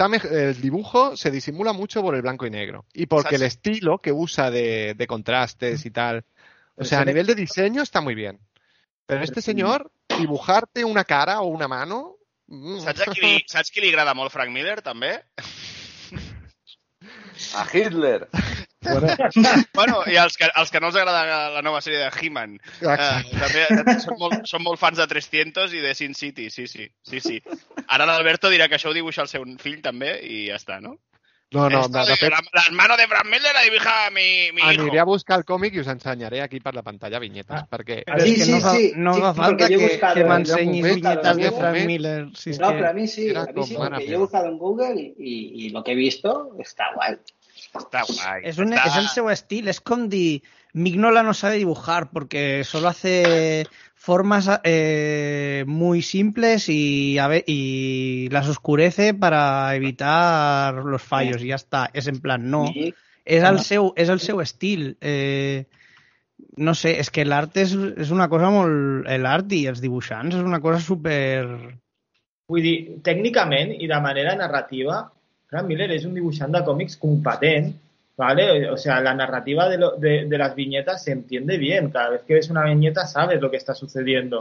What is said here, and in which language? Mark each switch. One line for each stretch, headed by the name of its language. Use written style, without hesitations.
Spanish: El dibujo se disimula mucho por el blanco y negro y porque el estilo que usa de contrastes y tal, a nivel de diseño está muy bien, pero este señor dibujarte una cara o una mano. ¿Sabes qué le agrada mucho Frank Miller también? A Hitler.
Catalan: Bueno, i els que no els agrada la nova sèrie de He-Man. També són molt fans de 300 i de Sin City, sí. Ara l'Alberto dirà que això ho dibuixa el seu fill també i ja està, no? No, de fet...
Spanish: La mano de Frank Miller la
Catalan: dibuixa
Spanish: mi hijo.
Catalan: Aniré a buscar el còmic i us ensenyaré aquí per la pantalla vinyetes. Perquè... No fa falta que m'ensenyis vinyetes de Frank Miller. A mi sí, jo he buscat en Google i el que
Spanish: he visto
Catalan: està guai.
Spanish: Es
Catalan: el seu estil, es com dir
Spanish: Mignola no sabe dibujar porque solo hace formas muy simples y las oscurece para evitar los fallos y ya está, es en plan no,
Catalan: es el seu estil.
Spanish: No sé, es que el arte es una cosa
Catalan: molt, el art i els dibuixants és una cosa super, vull dir, tècnicament i de manera narrativa Frank Miller és un dibuixant de còmics competent, ¿vale?
Spanish: O sea, la narrativa de las viñetas se entiende bien. Cada vez que ves una viñeta sabes lo que está sucediendo.